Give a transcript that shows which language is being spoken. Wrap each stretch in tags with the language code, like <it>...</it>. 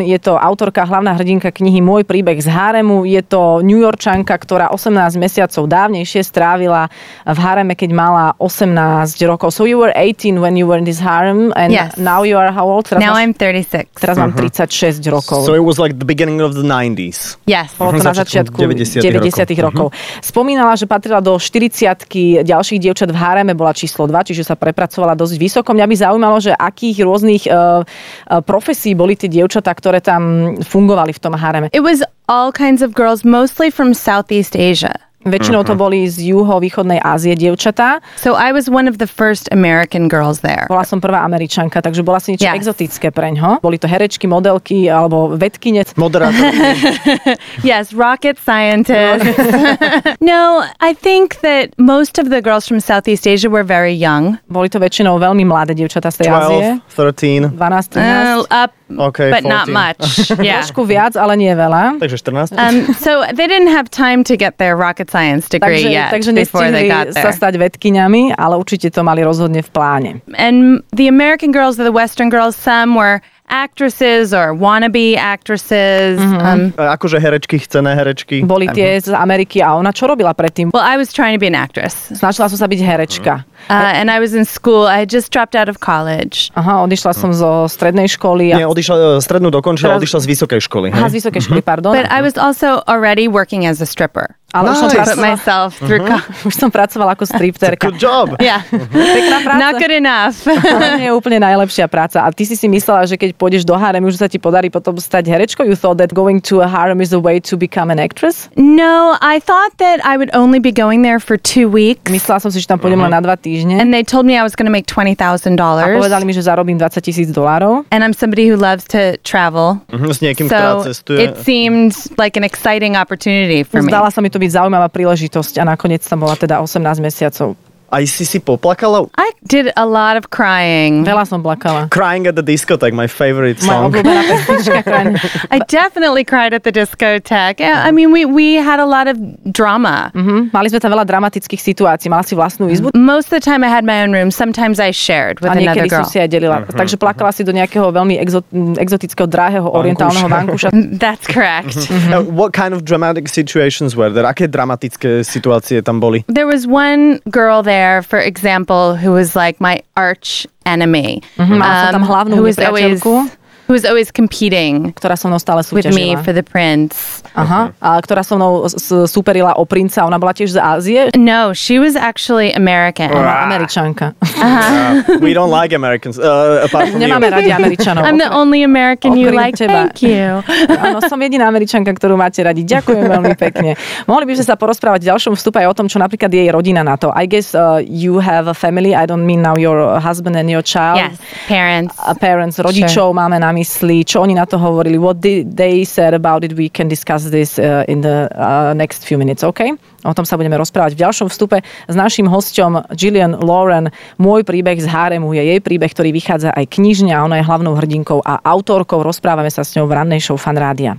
<sk>Je to autorka, hlavná hrdinka knihy Môj príbeh z haremu. Je to New Yorkčanka, ktorá 18 mesiacov dávnejšie strávila v hareme, keď mala 18 rokov.</sk> <en>So you were 18 when you were in this harem and yes. Now you are how old?</en> <sk>Teraz</sk> <en>now I'm 36.</en> <sk>Teraz mám 36 rokov.</sk> <en>So it was like the beginning of the 90s. Yes.</en> <sk>Bolo to na začiatku 90-tych rokov. Spomínala, že patrila do 40-ky ďalších dievčat v hareme, bola číslo 2, čiže sa prepracovala dosť vysoko. Mňa by zaujímalo, že akých rôznych profesí boli tie dievčatá, ktoré tam fungovali v tom hareme.</sk> <en>It was all kinds of girls, mostly from Southeast Asia.</en> <sk>Väčšinou to boli z juho-východnej Ázie dievčatá.</sk> <en>So I was one of the first American girls there.</en> <sk>Bola som prvá Američanka, takže bola si niečo exotické preňho. Boli to herečky, modelky alebo vedkyne. Moderátorky.</sk> <en>Yes, rocket scientist. No, I think that most of the girls from Southeast Asia were very young.</en> <sk>Boli to väčšinou veľmi mladé dievčatá z tej Ázie.</sk> <en>12, 13. Okay, but 14. Not much. Yeah.</en> <sk>Trošku viac, ale nie veľa. Takže 14.</sk> <en>So they didn't have time to get their rocket science degree yet.</en> <sk>Takže nestihli sa stať vedkyňami, ale určite to mali rozhodne v pláne.</sk> <en>And the American girls, the Western girls, some were actresses or wannabe actresses.</en> <sk>Mm-hmm. Akože herečky, chcené herečky. Boli tie z Ameriky a ona čo robila predtým?</sk> <en>Well, I was trying to be an actress.</en> <sk>Snažila som sa byť herečka. Mm-hmm.</sk> <en>And I was in school. I had just dropped out of college.</en> <sk>Aha, odišla som zo strednej školy. Nie, odišla, strednú dokončila, teraz... odišla z vysokej školy. Aha, z vysokej školy, pardon.</sk> <en>But I was also already working as a stripper.</en> <sk>Ale</sk> <en>nice.</en> <sk>Už som pracovala ako stripterka.</sk> <en>Good job. Yeah.</en> <sk>Pekná práca.</sk> <en>Not good enough.</en> <sk>Nie je úplne najlepšia práca. A ty si si myslela, že keď pôjdeš do harem, už sa ti podarí potom stať herečkou?</sk> <en>You thought that going to a harem is a way to become an actress? No, I thought that I would only be going there for 2 weeks.</en> <sk>Myslela som si, že tam pôjdem len na 2 týždne.</sk> <en>And they told me I was going to make $20,000.</en> <sk>A povedali mi, že zarobím $20,000.</sk> <en>And I'm somebody who loves to travel.</en> <sk>S niekým,</sk> <en>so</en> <sk>ktorá cestuje.</sk> <en>It seemed like an exciting opportunity for me.</en> <sk>Zdala sa mi to byť zaujímavá príležitosť a nakoniec tam bola teda 18 mesiacov. A si si poplakala?</sk> <en>I did a lot of crying.</en> <sk>Veľa som plakala.</sk> <en>Crying at the discotheque, my favorite song. I definitely cried at the discotheque. I mean, we had a lot of drama. Mm-hmm.</en> <sk>Mali sme tam veľa dramatických situácií. Mala si vlastnú izbu?</sk> <en>Most of the time I had my own room. Sometimes I shared with another girl.</en> <sk>A niekedy som si aj delila. Mm-hmm. Takže plakala si do nejakého veľmi exotického, drahého, orientálneho vankúša.</sk> <en>That's correct. Mm-hmm. Mm-hmm. What kind of dramatic situations were there?</en> <sk>Aké dramatické situácie tam boli?</sk> <en>There was one girl there. There, for example, who was like my arch enemy. Mm-hmm. Who was always competing,</en> <sk>ktorá so mnou stále súťažila,</sk> <en>with me for the prince.</en> <sk>Aha, a ktorá so mnou súperila o princa. Ona bola tiež z Ázie?</sk> <en>No, she was actually American.</en> <sk>Američanka.</sk> <en>Uh-huh. We don't like Americans.</en> <sk>Nemáme radi Američanov.</sk> <en>I'm the only American you like.</en> <sk>Teba.</sk> <en>Thank you.</en> <sk>Áno, som jediná Američanka, ktorú máte radi. Ďakujem veľmi pekne. Mohli by sme sa porozprávať v ďalšom vstupe aj o tom, čo napríklad jej rodina na to.</sk> <en>I guess you have a family. I don't mean now your husband and your child. Yes, parents.</en> <sk>Parents, rodičov, sure. Máme na mysli. Čo oni na to hovorili?</sk> <en>What did they said about it? We can discuss this in the next few minutes, okay?</en> <sk>O tom sa budeme rozprávať v ďalšom vstupe s našim hosťom Gillian Lauren. Môj príbeh z haremu je jej príbeh, ktorý vychádza aj knižne a ona je hlavnou hrdinkou a autorkou. Rozprávame sa s ňou v rannej show Fanrádia.</sk>